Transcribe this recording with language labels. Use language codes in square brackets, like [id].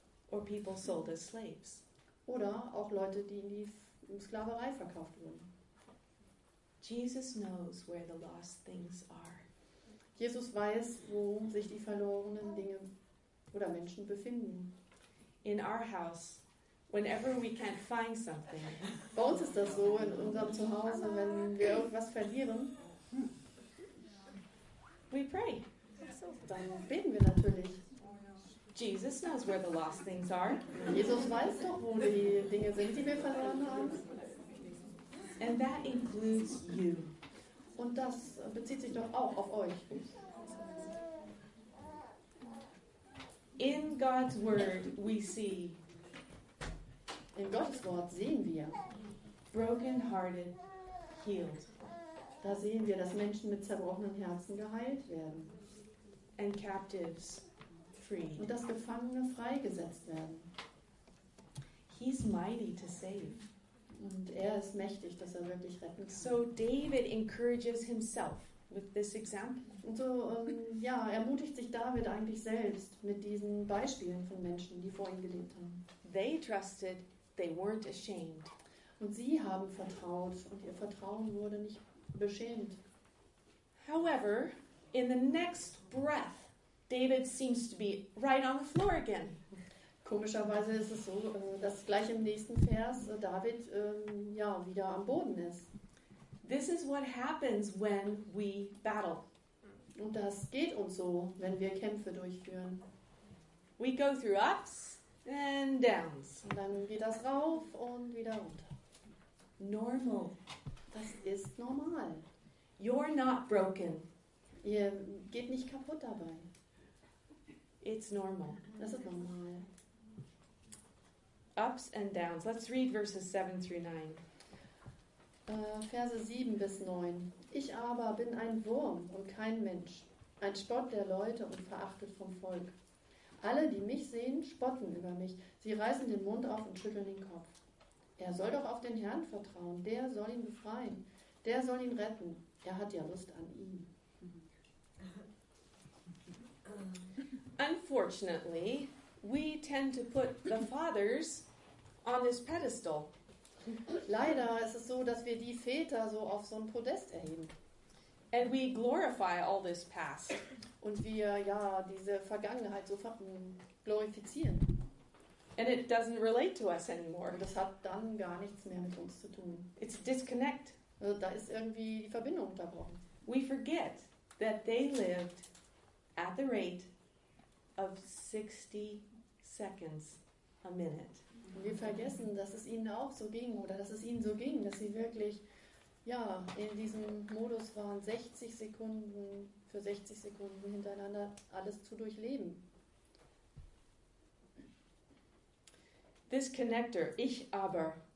[en] Or people sold as slaves. [de] Oder auch Leute, die in die Sklaverei verkauft wurden. [en] Jesus knows where the lost things are. [de] Jesus weiß, wo sich die verlorenen Dinge oder Menschen befinden. [en] In our house, whenever we can't find something. [de] Bei uns ist das so, in unserem Zuhause, wenn wir irgendwas verlieren. [en] We pray. [de] Dann beten wir natürlich. [en] Jesus knows where the lost things are. [de] Jesus weiß doch, wo die Dinge sind, die wir verloren haben. [en] And that includes you. [de] Und das bezieht sich doch auch auf euch. [en] In God's word we see. [de] In Gottes Wort sehen wir. [en] Broken-hearted healed. [de] Da sehen wir, dass Menschen mit zerbrochenen Herzen geheilt werden. [en] And captives. [de] Und dass Gefangene freigesetzt werden. [en] He's mighty to save. [de] Und er ist mächtig, dass er wirklich retten kann. [en] So David encourages himself with this example. [de] Und so ja, ermutigt sich David eigentlich selbst mit diesen Beispielen von Menschen, die vor ihm gelebt haben. [en] They trusted, they weren't ashamed. [de] Und sie haben vertraut und ihr Vertrauen wurde nicht beschämt. [en] However, in the next breath, David seems to be right on the floor again. [de] Komischerweise ist es so, dass gleich im nächsten Vers David ja wieder am Boden ist. [en] This is what happens when we battle. [de] Und das geht uns so, wenn wir Kämpfe durchführen. [en] We go through ups and downs. [de] Und dann geht das rauf und wieder runter. [en] Normal. [de] Das ist normal. [en] You're not broken. [de] Ihr geht nicht kaputt dabei. [en] It's normal. [de] Das ist normal. [en] Ups and downs. Let's read verses 7 through 9. [de] Verse 7 bis 9. Ich aber bin ein Wurm und kein Mensch, ein Spott der Leute und verachtet vom Volk. Alle, die mich sehen, spotten über mich. Sie reißen den Mund auf und schütteln den Kopf. Er soll doch auf den Herrn vertrauen. Der soll ihn befreien. Der soll ihn retten. Er hat ja Lust an ihm. [en] Unfortunately, we tend to put the fathers on this pedestal. [de] Leider ist es so, dass wir die Väter so auf so ein Podest erheben. [en] And we glorify all this past. [de] Und wir, ja, diese Vergangenheit so glorifizieren. [en] And it doesn't relate to us anymore. [de] Und das hat dann gar nichts mehr mit uns zu tun. [en] It's disconnect. [de] Also da ist irgendwie die Verbindung unterbrochen. [en] We forget that they lived at the rate of 60 seconds a minute. [de] Und wir vergessen, dass es ihnen auch so ging, oder dass es ihnen so ging, dass sie wirklich, ja, in diesem Modus waren, 60 Sekunden für 60 Sekunden hintereinander alles zu durchleben. [en] This connector, [de] ich aber.